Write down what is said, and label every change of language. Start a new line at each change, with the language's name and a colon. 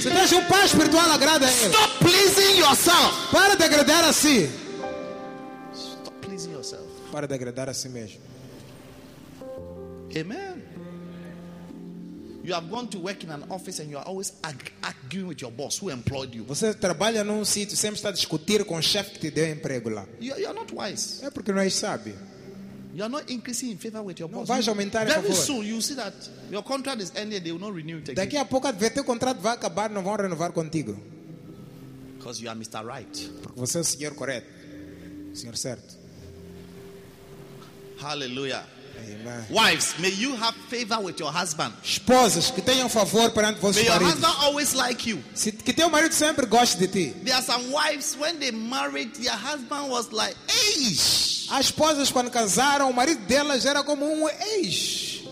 Portuguese: Se tens pai espiritual, agrada ele.
English: Stop pleasing yourself.
Portuguese: Para de agradar a si.
English: Stop pleasing yourself.
Portuguese: Para de agradar a si mesmo. Amen.
English: You have gone to work in an office and you are always arguing with your boss who employed you.
Portuguese: Você trabalha num sítio, sempre está a discutir com o chefe que te deu emprego lá.
English: You are not wise.
Portuguese: É porque não é sábio.
English: You are not increasing in favor with your
Portuguese: não
English: boss.
Portuguese: Vai aumentar
English: very
Portuguese: em favor.
English: Soon you see that your contract is ending, they will not renew it again.
Portuguese: Daqui a pouco vê teu contrato vai acabar, não vão renovar contigo.
English: Because you are Mr. Right.
Portuguese: Porque você é o senhor correto. Senhor certo. Hallelujah. Amen.
English: Wives, may you have favor with your husband.
Portuguese: Esposas, que tenham favor perante vossos maridos.
English: May your husband always like you.
Portuguese: Que teu marido sempre goste de ti.
English: There are some wives when they married, their husband was like, "Eish."
Portuguese: As esposas quando casaram, o marido delas era como um ex.